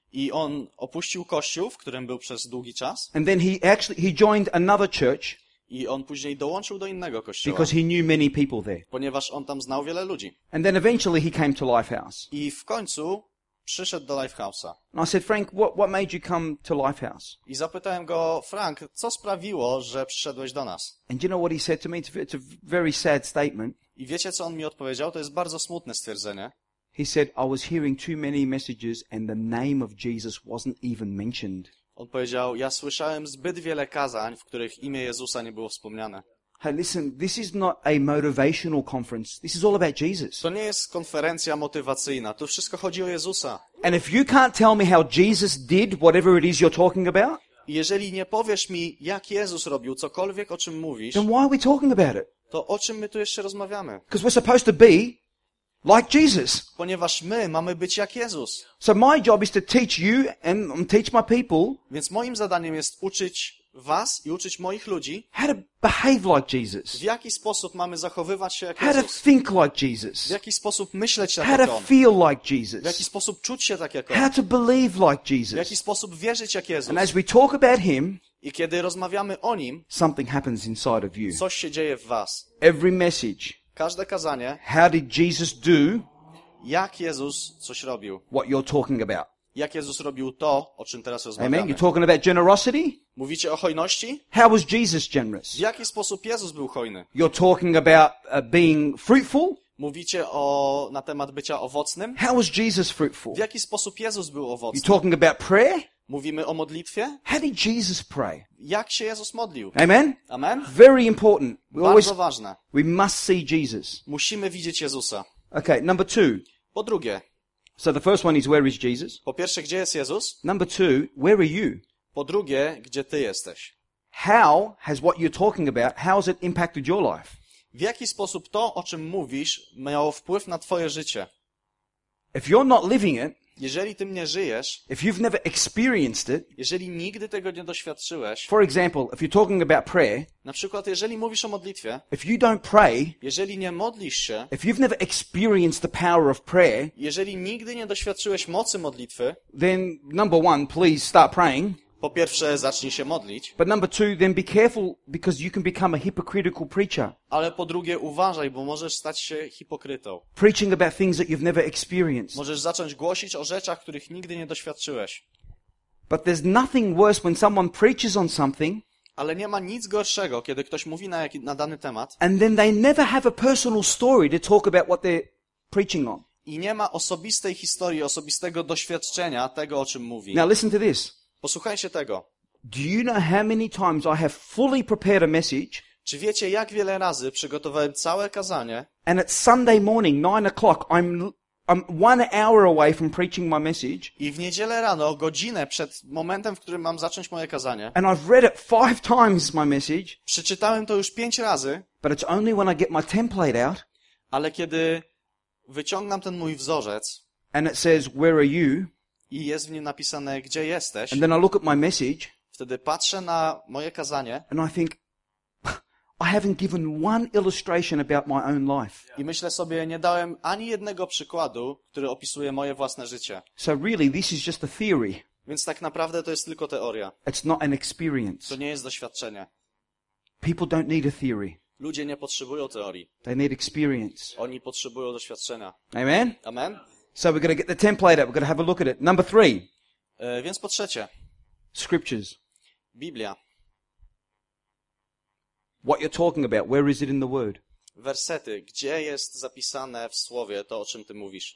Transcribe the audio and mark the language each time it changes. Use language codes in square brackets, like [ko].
[pl] I on opuścił kościół, w którym był przez długi czas. [en] And then he joined another church. [pl] I on później dołączył do innego kościoła. [en] Because he knew many people there. [pl] Ponieważ on tam znał wiele ludzi. [en] And then eventually he came to Lifehouse. [pl] I w końcu przyszedł do Lifehouse'a. [en] And I said, Frank, what made you come to Lifehouse? [pl] I zapytałem go, Frank, co sprawiło, że przyszedłeś do nas? [en] And you know what he said to me? It's a very sad statement. [pl] I wiecie, co on mi odpowiedział? To jest bardzo smutne stwierdzenie. [en] He said, I was hearing too many messages and the name of Jesus wasn't even mentioned. [pl] On powiedział, ja słyszałem zbyt wiele kazań, w których imię Jezusa nie było wspomniane. [en] Hey, listen, this is not a motivational conference. This is all about Jesus. [pl] To nie jest konferencja motywacyjna. To wszystko chodzi o Jezusa. [en] And if you can't tell me how Jesus did whatever it is you're talking about, [pl] jeżeli nie powiesz mi, jak Jezus robił cokolwiek, o czym mówisz, [en] then why are we talking about it? [pl] To o czym my tu jeszcze rozmawiamy? [en] Because we're supposed to be like Jesus. [pl] Ponieważ my mamy być jak Jezus. [en] So my job is to teach you and teach my people. [pl] Więc moim zadaniem jest uczyć was i uczyć moich ludzi. [en] How to behave like Jesus. [pl] W jaki sposób mamy zachowywać się jak [en] how [pl] Jezus. [en] How to think like Jesus. [pl] W jaki sposób myśleć [en] how [pl] jak on. [en] How to feel like Jesus. [pl] W jaki sposób czuć się tak jak on. [en] How to believe like Jesus. [pl] W jaki sposób wierzyć jak Jezus. [en] And as we talk about him, [pl] i kiedy rozmawiamy o nim, [en] something happens inside of you. [pl] Coś się dzieje w was. [en] Every message. [pl] Każde kazanie. [en] How did Jesus do? [pl] jak Jezus coś robił. [en] What you're talking about. [pl] Jak Jezus robił to, o czym teraz rozmawiamy. [en] Amen. You're talking about generosity? [pl] Mówicie o hojności? [en] How was Jesus generous? [pl] W jaki sposób Jezus był hojny? [en] You're talking about being fruitful? [pl] Mówicie o na temat bycia owocnym? [en] How was Jesus fruitful? [pl] W jaki sposób Jezus był owocny? [en] You're talking about prayer? [pl] Mówimy o modlitwie? [en] How did Jesus pray? [pl] Jak się Jezus modlił? [en] Amen. Amen. Very important. [pl] Bardzo ważne. [en] We must see Jesus. [pl] Musimy widzieć Jezusa. [en] Okay, number two. [pl] Po drugie. [en] So the first one is where is Jesus? [pl] Po pierwsze, gdzie jest Jezus? [en] Number two, where are you? [pl] Po drugie, gdzie ty jesteś? [en] How has what you're talking about, how has it impacted your life? [pl] W jaki sposób to, o czym mówisz, miało wpływ na twoje życie? [en] If you're not living it, [pl] jeżeli ty mnie żyjesz, [en] if you've never experienced it, [pl] jeżeli nigdy tego nie doświadczyłeś, [en] for example, if you're talking about prayer, [pl] na przykład jeżeli mówisz o modlitwie, [en] if you don't pray, [pl] jeżeli nie modlisz się, [en] if you've never experienced the power of prayer, [pl] jeżeli nigdy nie doświadczyłeś mocy modlitwy, [en] then number one, please start praying. [pl] Po pierwsze, zacznij się modlić. [en] But number two, then be careful because you can become a hypocritical preacher. [pl] Ale po drugie, uważaj, bo możesz stać się hipokrytą. [en] Preaching about things that you've never experienced. [pl] Możesz zacząć głosić o rzeczach, których nigdy nie doświadczyłeś. [en] But there's nothing worse when someone preaches on something. [pl] Ale nie ma nic gorszego, kiedy ktoś mówi na dany temat. [en] And then they never have a personal story to talk about what they're preaching on. [pl] I nie ma osobistej historii, osobistego doświadczenia tego, o czym mówi. [en] Now listen to this. [pl] Posłuchajcie tego. [en] Do you know how many times I have fully prepared a message? [pl] Czy wiecie, jak wiele razy przygotowałem całe kazanie? [en] And at Sunday morning, 9 o'clock, I'm 1 hour away from preaching my message. [pl] I w niedzielę rano, godzinę przed momentem, w którym mam zacząć moje kazanie. [en] And I've read it 5 times my message. [pl] Przeczytałem to już 5 razy. [en] But it's only when I get my template out. [pl] Ale kiedy wyciągnam ten mój wzorzec. [en] And it says, where are you? [pl] I jest w nim napisane, gdzie jesteś. [en] And then I look at my message. [pl] Wtedy patrzę na moje kazanie. [en] And I think, I haven't given one illustration about my own life. [pl] I myślę sobie, nie dałem ani jednego przykładu, który opisuje moje własne życie. [en] So really, this is just a theory. [pl] Więc tak naprawdę to jest tylko teoria. [en] It's not an experience. [pl] To nie jest doświadczenie. [en] People don't need a theory. [pl] Ludzie nie potrzebują teorii. [en] They need experience. [pl] Oni potrzebują doświadczenia. [en] Amen. [pl] Amen. [en] So we're going to get the template up. We're going to have a look at it. Number three. [pl] Więc po trzecie. [en] Scriptures. [pl] Biblia. [en] What you're talking about. Where is it in the Word? [pl] Wersety. Gdzie jest zapisane w Słowie to, o czym ty mówisz?